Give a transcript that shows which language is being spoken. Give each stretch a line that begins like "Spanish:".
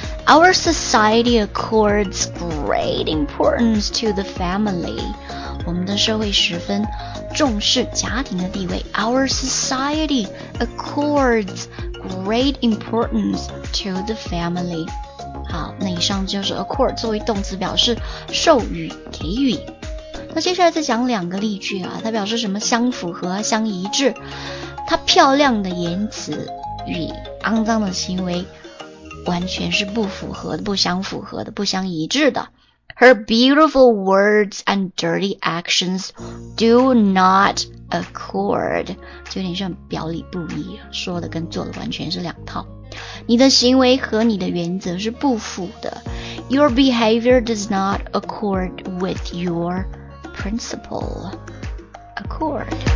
English: Our society accords great importance to the family.
Chinese: 我们的社会十分重视家庭的地位。
English: Our society accords great importance to the family.
Chinese: 好，那以上就是 accord 作为动词表示授予、给予。那接下来再讲两个例句啊，它表示什么相符合、相一致。它漂亮的言辞与肮脏的行为完全是不符合的，不相符合的，不相一致的。
English: Her beautiful words and dirty actions do not accord.
Chinese: 就有点像表里不一，说的跟做的完全是两套。你的行为和你的原则是不符的。
English: Your behavior does not accord with your principle. Accord.